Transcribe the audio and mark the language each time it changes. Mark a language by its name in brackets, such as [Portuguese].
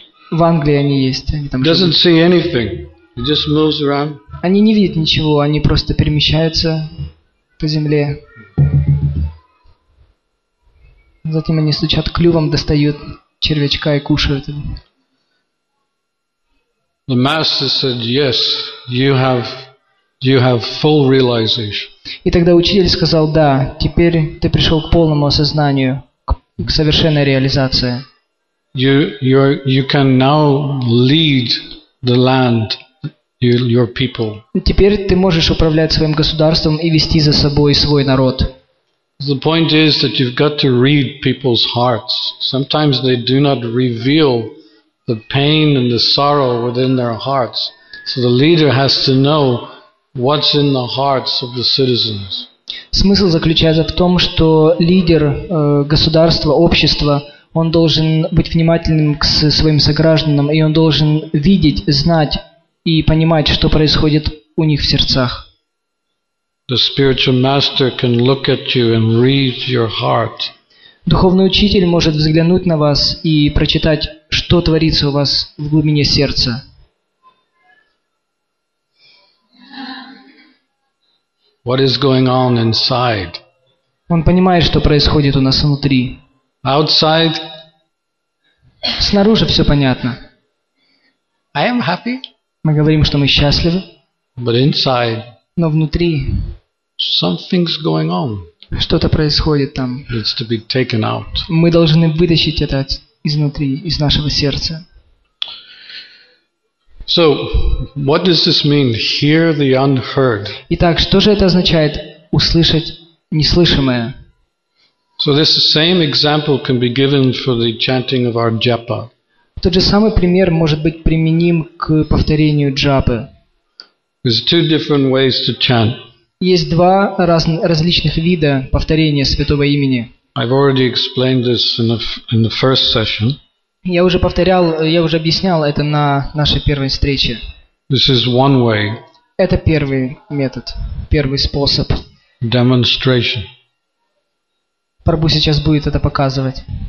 [Russian] В Англии они есть. Они там. [English] Doesn't see anything. It just moves around. [Russian] Они не видят ничего, они просто перемещаются по земле. Затем они стучат клювом, достают червячка и кушают его. [English] The master said, "Yes, you have full realization." [Russian] И тогда учитель сказал: "Да, теперь ты пришел к полному осознанию, к совершенной реализации." [English] You can now lead the land, your people. [Russian] Теперь ты можешь управлять своим государством и вести за собой свой народ. [English] The point is that you've got to read people's hearts. Sometimes they do not reveal the pain and the sorrow within their hearts. So the leader has to know what's in the hearts of the citizens. [Russian] Смысл заключается в том, что лидер государства, общества, он должен быть внимательным к своим согражданам, и он должен видеть, знать и понимать, что происходит у них в сердцах. [English] The spiritual master can look at you and read your heart. [Russian] Духовный учитель может взглянуть на вас и прочитать, что творится у вас в глубине сердца. [English] What is going on inside? [Russian] Он понимает, что происходит у нас внутри. [English] Outside? [Russian] Снаружи все понятно. [English] I am happy. [Russian] Мы говорим, что мы счастливы. [English] But inside? [Russian] Но внутри? [English] Something's going on. [Russian] Что-то происходит там. [English] It's to be taken out. [Russian] Мы должны вытащить это изнутри, из нашего сердца. [English] So, what does this mean? Hear the unheard. [Russian] Итак, что же это означает услышать неслышимое? [English] So this same example can be given for the chanting of our japa. [Russian] Тот же самый пример может быть применим к повторению джапы. [English] There's two different ways to chant. [Russian] Есть два различных вида повторения святого имени. [English] I've already explained this in the first session. [Russian] Я уже объяснял это на нашей первой встрече. [English] This is one way. [Russian] Это первый метод, первый способ. [English] Demonstration. [Russian] Прабу сейчас будет это показывать.